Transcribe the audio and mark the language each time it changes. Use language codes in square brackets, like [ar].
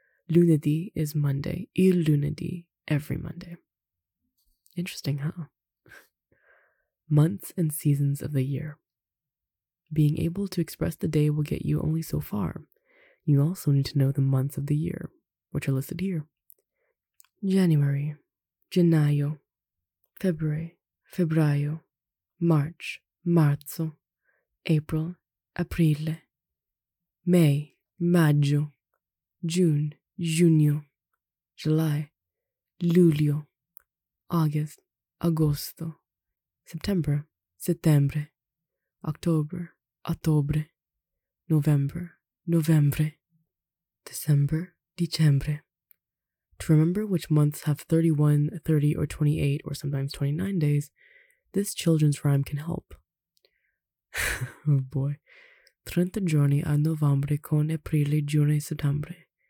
[en] Lunedì is Monday. [it] Il lunedì, [en] every Monday. Interesting, huh? Months and seasons of the year. Being able to express the day will get you only so far. You also need to know the months of the year, which are listed here. January, gennaio, February, febbraio, March, marzo, April, aprile, May, maggio, June, giugno, July, luglio, August, agosto, September, settembre, October, ottobre, November, novembre, December, dicembre. To remember which months have 31, 30, or 28, or sometimes 29 days, this children's rhyme can help. Oh boy. [it] 30 giorni a novembre con aprile, giugno, settembre.